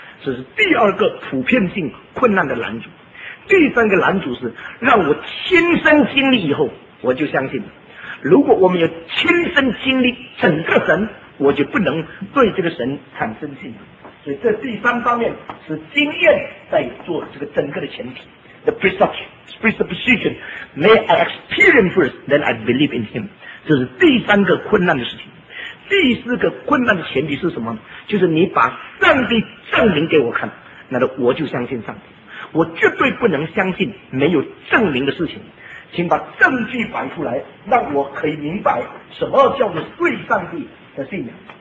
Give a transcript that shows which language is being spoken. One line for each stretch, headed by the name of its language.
Chinese: 这是第二个普遍性困难的拦阻。第三个拦阻是让我亲身经历以后我就相信了。如果我们有亲身经历整个神，我就不能对这个神产生信仰。所以这第三方面是经验在做这个整个的前提。
English: The presupposition May I experience first Then I believe in him。
Chinese: 这是第三个困难的事情。第四个困难的前提是什么？就是你把上帝证明给我看，那么我就相信上帝。我绝对不能相信没有证明的事情。请把证据摆出来，让我可以明白什么叫做对上帝的信仰。